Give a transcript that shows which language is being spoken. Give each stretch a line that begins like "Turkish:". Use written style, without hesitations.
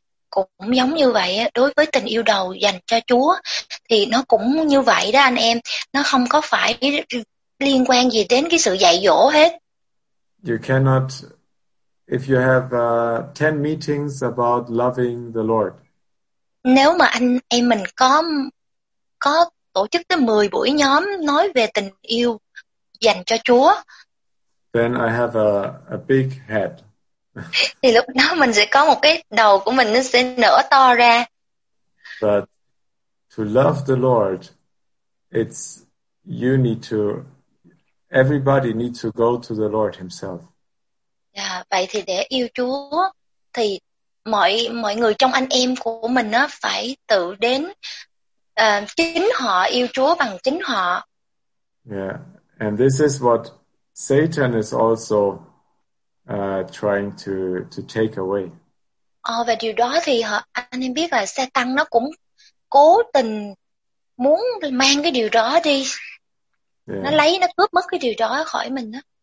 Vietnamese: Cũng giống như vậy, đối với tình yêu đầu dành cho Chúa thì nó cũng như vậy đó anh em. Nó không có phải liên quan gì đến cái sự dạy dỗ hết.
English: You cannot, if you have 10 meetings about loving the Lord.
Vietnamese: Nếu mà anh em mình có tổ chức tới 10 buổi nhóm nói về tình yêu dành cho Chúa.
English: Then I have a big head.
Vietnamese: Thì lúc đó mình sẽ có một cái đầu của mình nó sẽ nở to ra.
English: But to love the Lord, it's you need to, everybody needs to go to the Lord himself.
Vietnamese: Yeah, vậy thì để yêu Chúa thì mọi người trong anh em của mình á phải tự đến chính họ yêu Chúa bằng chính họ. Yeah.
English: And this is what Satan is also trying to take away.
Vietnamese: Và điều đó thì anh em biết là Satan nó cũng cố tình muốn mang cái điều đó đi. Yeah. Nó lấy, nó cướp mất cái điều đó khỏi mình á.